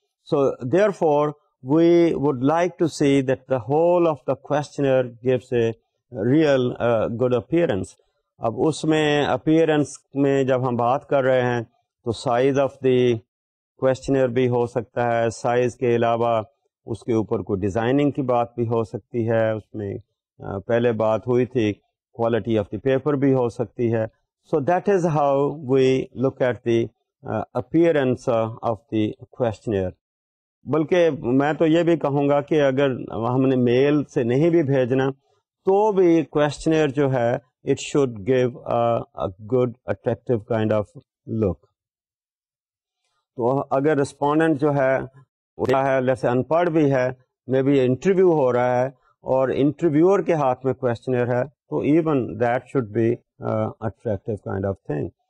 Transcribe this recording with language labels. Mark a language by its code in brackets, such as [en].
[en] So therefore we would like to see that the whole of the questionnaire gives a real good appearance. [ur] اب اس میں appearance میں جب ہم بات کر رہے ہیں تو [en] size of the questionnaire [ur] بھی ہو سکتا ہے, سائز کے علاوہ اس کے اوپر کوئی ڈیزائننگ کی بات بھی ہو سکتی ہے, اس میں پہلے بات ہوئی تھی [en] quality of the paper [ur] بھی ہو سکتی ہے. [en] So that is how we look at the appearance of the questionnaire. [ur] بلکہ میں تو یہ بھی کہوں گا کہ اگر ہم نے میل سے نہیں بھی بھیجنا تو بھی کوشچنر جو ہے [en] It should give good attractive kind of look. [ur] تو اگر رسپونڈنٹ جو ہے جیسے ان پڑھ بھی ہے, مے بی انٹرویو ہو رہا ہے اور انٹرویور کے ہاتھ میں کوشچنر ہے, تو [en] Even that should be attractive kind of thing.